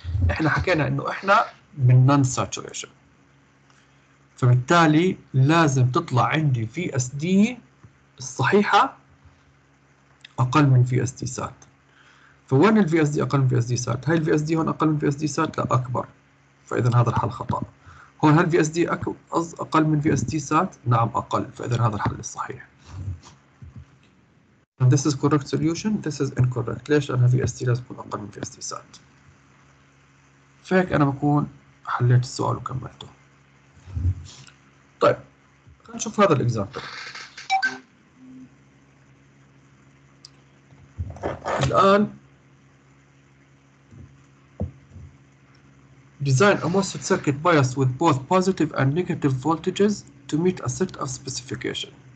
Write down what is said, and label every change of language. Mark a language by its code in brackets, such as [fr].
[ar] إحنا حكينا إنه إحنا من نون ساتوريشن، فبالتالي لازم تطلع عندي في اس دي الصحيحة أقل من في اس دي سات. فوين الفي اس دي أقل من في اس دي سات؟ هاي الفي اس دي هون أقل من في اس دي سات؟ لا أكبر. فإذا هذا الحل خطأ. هون هل في اس دي أقل من في اس دي سات؟ نعم أقل. فإذا هذا الحل الصحيح. [en] And this is correct solution, this is incorrect. [ar] ليش؟ لأن في اس دي لازم يكون أقل من في اس دي سات. فهيك أنا بكون حليت السؤال وكملته. طيب خلينا نشوف هذا الإكزامبل. [en] الآن design a MOSFET circuit bias with both positive and negative voltages to meet a set of specification.